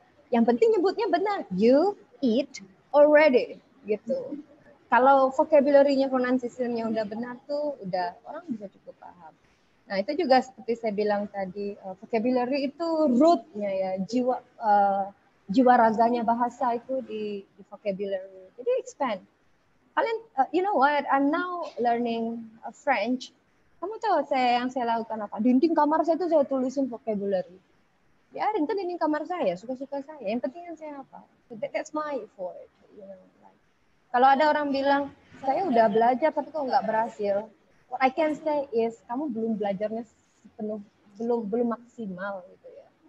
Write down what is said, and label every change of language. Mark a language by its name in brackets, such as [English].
[Indonesian] Yang penting nyebutnya benar. [English] You eat already [Indonesian] gitu. Kalau vocabulary-nya, pronunciation-nya udah benar tuh, udah orang bisa cukup paham. Nah, itu juga seperti saya bilang tadi, vocabulary itu root-nya ya, jiwa jiwa raganya bahasa itu di vocabulary. Jadi expand. Kalian, [English] you know what, I'm now learning French. [Indonesian] Kamu tahu saya yang saya lakukan apa? Dinding kamar saya itu saya tulisin vocabulary. Ya, itu dinding kamar saya, suka-suka saya. Yang penting yang saya apa? [English] That's my effort, you know. [Indonesian] Kalau ada orang bilang, saya udah belajar tapi kok nggak berhasil. [English] What I can say is, [Indonesian] kamu belum belajarnya sepenuh, belum maksimal gitu ya.